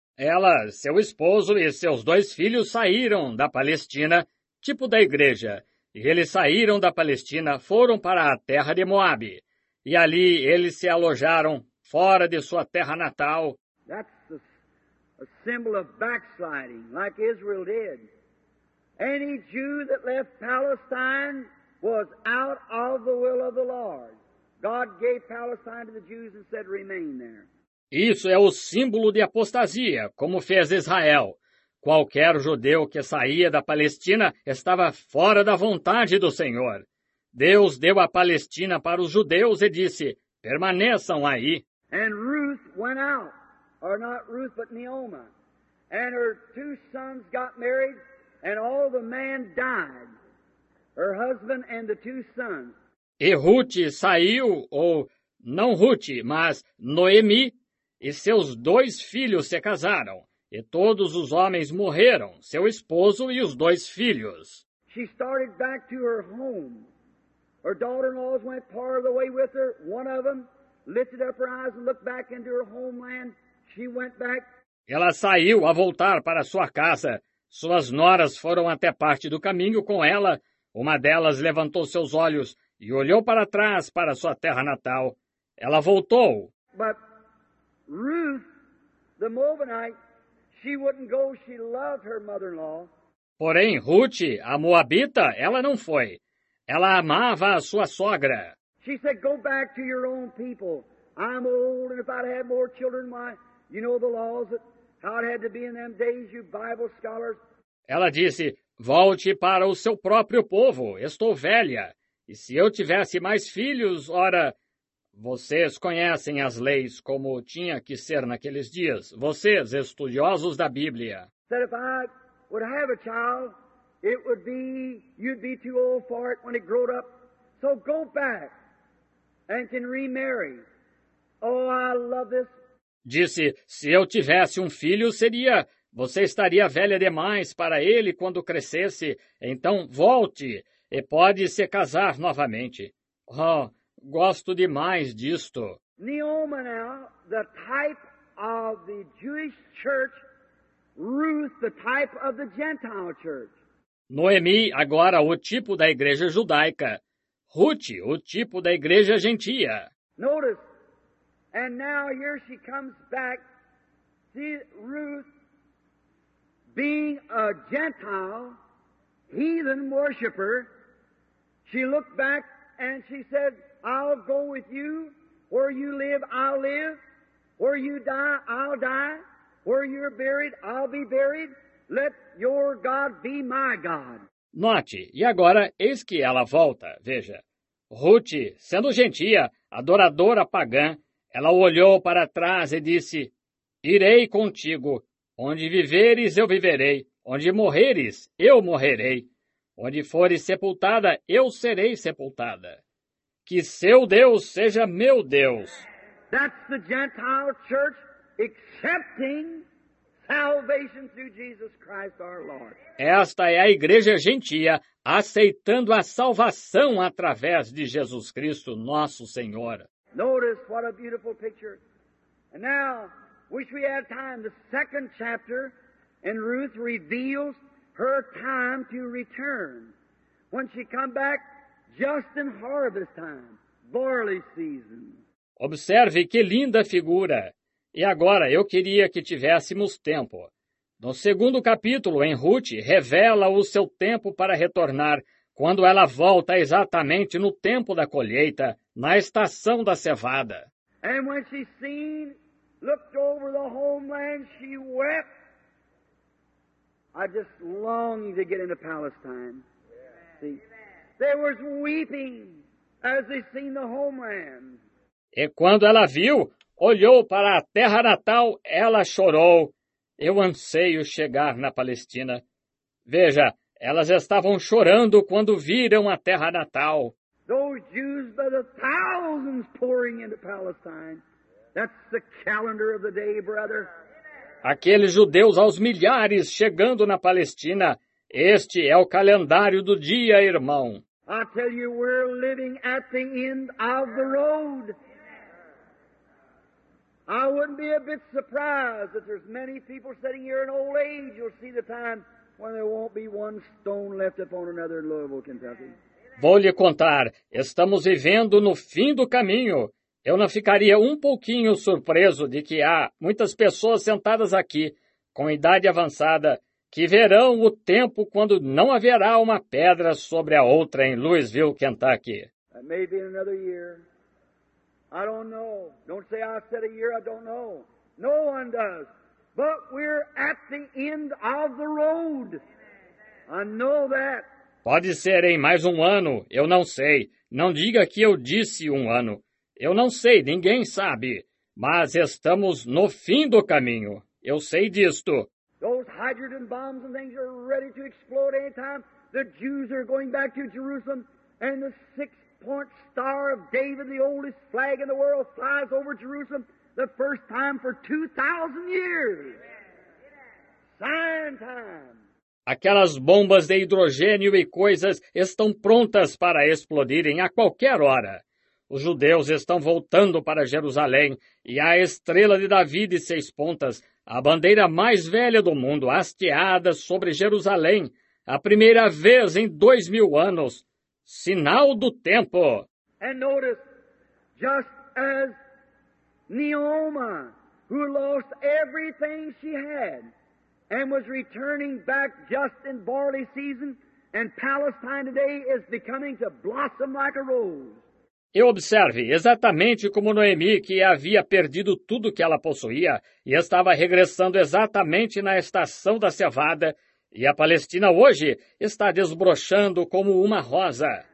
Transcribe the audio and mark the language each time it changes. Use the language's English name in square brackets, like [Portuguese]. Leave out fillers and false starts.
[Portuguese] Ela, seu esposo e seus dois filhos saíram da Palestina, tipo da igreja. E eles saíram da Palestina, foram para a terra de Moab. E ali eles se alojaram fora de sua terra natal. [English] That's a symbol of backsliding, like Israel did. Any Jew that left Palestine was out of the will of the Lord. God gave Palestine to the Jews and said, remain there. [Portuguese] Isso é o símbolo de apostasia, como fez Israel. Qualquer judeu que saía da Palestina estava fora da vontade do Senhor. Deus deu a Palestina para os judeus e disse, permaneçam aí. [English] And Ruth went out, or not Ruth, but Naoma. And her two sons got married, and all the men died. Her husband and the two sons. [Portuguese] E Ruth saiu, ou não Ruth, mas Noemi, e seus dois filhos se casaram. E todos os homens morreram, seu esposo e os dois filhos. [English] She started back to her home. Her daughter-in-laws went part of the way with her, one of them. Lifted up her eyes and looked back into her homeland. She went back. [Portuguese] Ela saiu a voltar para sua casa. Suas noras foram até parte do caminho com ela. Uma delas levantou seus olhos e olhou para trás para sua terra natal. Ela voltou. [English] But Ruth, the Moabite, she wouldn't go. She loved her mother-in-law. [Portuguese] Porém, Ruth, a Moabita, ela não foi. Ela amava a sua sogra. [English] She said, go back to your own people. I'm old, and if I'd had more children, why, you know the laws, that how it had to be in them days, you Bible scholars. [Portuguese] Ela disse, volte para o seu próprio povo. Estou velha. E se eu tivesse mais filhos, ora, vocês conhecem as leis como tinha que ser naqueles dias. Vocês, estudiosos da Bíblia. [English] Said, if I would have a child, it would be, you'd be too old for it when it grew up. So go back. And can remarry. Oh, I love this. [Portuguese] Disse, se eu tivesse um filho, seria, você estaria velha demais para ele quando crescesse. Então, volte e pode se casar novamente. Oh, gosto demais disto. [English] Naoma now, the type of the Jewish church, Ruth, the type of the Gentile church. [Portuguese] Noemi, agora o tipo da igreja judaica. Ruth, o tipo da igreja gentia. [English] Notice, and now here she comes back. See, Ruth, being a Gentile, heathen worshiper, she looked back and she said, I'll go with you. Where you live, I'll live. Where you die, I'll die. Where you're buried, I'll be buried. Let your God be my God. [Portuguese] Note, e agora, eis que ela volta, veja. Ruth, sendo gentia, adoradora pagã, ela olhou para trás e disse, irei contigo. Onde viveres, eu viverei. Onde morreres, eu morrerei. Onde fores sepultada, eu serei sepultada. Que seu Deus seja meu Deus. [English] That's the Gentile church accepting salvation through Jesus Christ our Lord. [Portuguese] Esta é a igreja gentia aceitando a salvação através de Jesus Cristo, nosso Senhor. [English] Notice what a beautiful picture. And now, wish we had time. The second chapter in Ruth reveals her time to return. When she come back, just in harvest time, barley season. [Portuguese] Observe que linda figura. E agora eu queria que tivéssemos tempo. No segundo capítulo, em Ruth, revela o seu tempo para retornar, quando ela volta exatamente no tempo da colheita, na estação da cevada. [English] And when she seen, looked over the homeland, she wept. I just longed to get into Palestine. See, there was weeping as they seen the homeland. [Portuguese] E quando ela viu, olhou para a terra natal, ela chorou. Eu anseio chegar na Palestina. Veja, elas estavam chorando quando viram a terra natal. [English] Those Jews by the thousands pouring into Palestine. That's the calendar of the day, brother. [Portuguese] Aqueles judeus aos milhares chegando na Palestina. Este é o calendário do dia, irmão. [English] I tell you, we're living at the end of the road. I wouldn't be a bit surprised if there's many people sitting here in old age. You'll see the time when there won't be one stone left upon another in Louisville, Kentucky. [Portuguese] Vou lhe contar, estamos vivendo no fim do caminho. Eu não ficaria um pouquinho surpreso de que há muitas pessoas sentadas aqui, com idade avançada, que verão o tempo quando não haverá uma pedra sobre a outra em Louisville, Kentucky. [English] That may be in another year. I don't know. Don't say I said a year, I don't know. No one does. But we're at the end of the road. I know that. [Portuguese] Pode ser em mais um ano, eu não sei. Não diga que eu disse um ano. Eu não sei, ninguém sabe. Mas estamos no fim do caminho. Eu sei disto. [English] Those hydrogen bombs and things are ready to explode anytime. The Jews are going back to Jerusalem and the six-point star of David, the oldest flag in the world, flies over Jerusalem the first time for 2,000 years. Sign time. [Portuguese] Aquelas bombas de hidrogênio e coisas estão prontas para explodirem a qualquer hora. Os judeus estão voltando para Jerusalém e a estrela de Davi de seis pontas, a bandeira mais velha do mundo, hasteada sobre Jerusalém, a primeira vez em 2000 anos. Sinal do tempo! [English] E notice, just as Naomi, who lost everything she had, and was returning back just in barley season, and Palestine today is becoming to blossom like a rose. [Portuguese] E observe, exatamente como Noemi, que havia perdido tudo que ela possuía, e estava regressando exatamente na estação da cevada, e a Palestina hoje está desbrochando como uma rosa.